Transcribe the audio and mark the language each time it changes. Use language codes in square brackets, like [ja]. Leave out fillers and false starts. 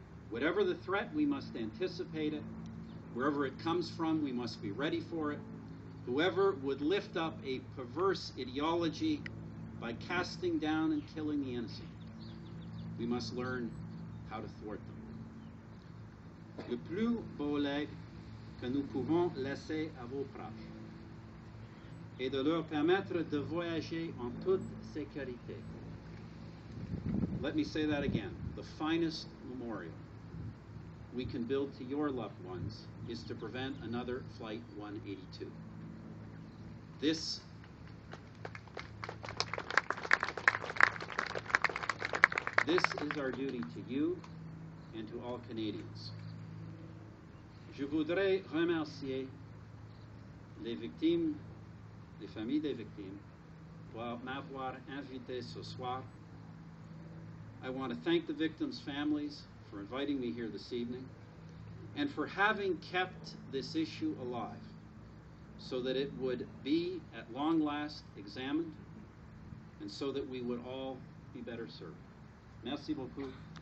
[en] Whatever the threat, we must anticipate it. Wherever it comes from, we must be ready for it. Whoever would lift up a perverse ideology by casting down and killing the innocent, we must learn how to thwart them. [fr] Le plus beau legs que nous pouvons laisser à vos proches est de leur permettre de voyager en toute sécurité. [en] Let me say that again. The finest memorial we can build to your loved ones is to prevent another Flight 182. This is our duty to you and to all Canadians. [fr] Je voudrais remercier les victimes, les familles des victimes, pour m'avoir invité ce soir. [en] I want to thank the victims' families for inviting me here this evening and for having kept this issue alive, so that it would be at long last examined, and so that we would all be better served. [fr] Merci beaucoup.